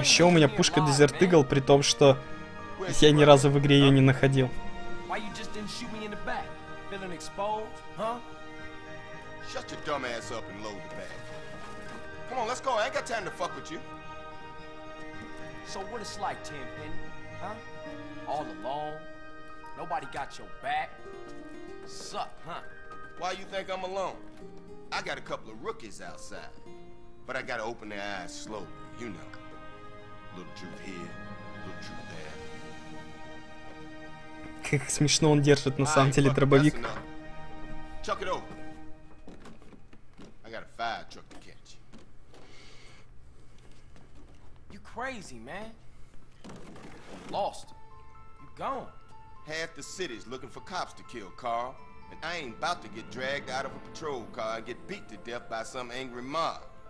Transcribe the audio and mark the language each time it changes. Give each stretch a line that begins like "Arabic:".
Russian: Еще у меня пушка Desert Eagle, при том, что я ни разу в игре ее не находил.
English: Why you just didn't shoot me in the back? Feeling exposed, huh? Shut your dumb ass up and load the bag. Come on, let's go. I ain't got time to fuck with you. So what it's like, Tenpenny, huh? All alone? Nobody got your back? Suck, huh? Why you think I'm alone? I got a couple of rookies outside. But I gotta open their eyes slowly, you know. Little truth here, little truth there.
Russian: Как смешно он держит на самом деле дробовик.
English: Chuck it over. I got a fire truck to catch. You crazy. crazy, man. Lost. You gone. Half the city's looking for cops to kill, Carl. And I ain't about to get dragged out of a patrol car and get beat to death by some angry mob.